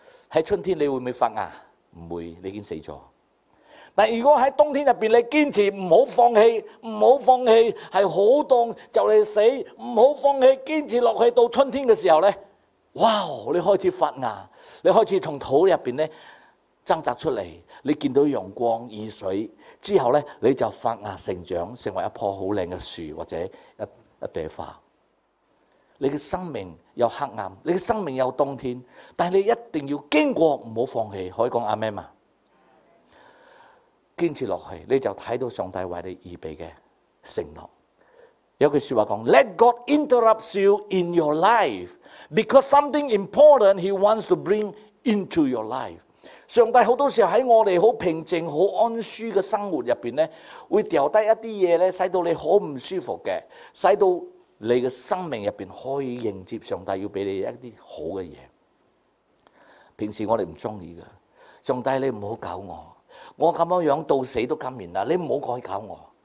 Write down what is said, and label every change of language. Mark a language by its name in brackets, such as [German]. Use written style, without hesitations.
[Chinese] 在春天你會不會發芽？不會，你已經死了。但如果在冬天裡面你堅持不要放棄，不要放棄，是很冷就來死，不要放棄，堅持下去到春天的時候呢，哇，你開始發芽，你開始從土裡面呢掙扎出嚟，你見到陽光、雨水之後咧，你就發芽成長，成為一棵好靚嘅樹或者一朵花。你的生命有黑暗，你的生命有冬天，但你一定要经过，不要放弃，可以说阿们吗？坚持下去，你就看到上帝为你预备的承诺。有句说话说， [English] Let God interrupt you in your life, because something important He wants to bring into your life。 [Chinese] 上帝很多时候在我们很平静很安舒的生活里面会掉下一些东西呢，使到你很不舒服的，使到你的生命里面可以迎接上帝要给你一些好的东西。平时我们不喜欢的，上帝你不要搞我，我这样到死都甘愿了，你不要再搞我。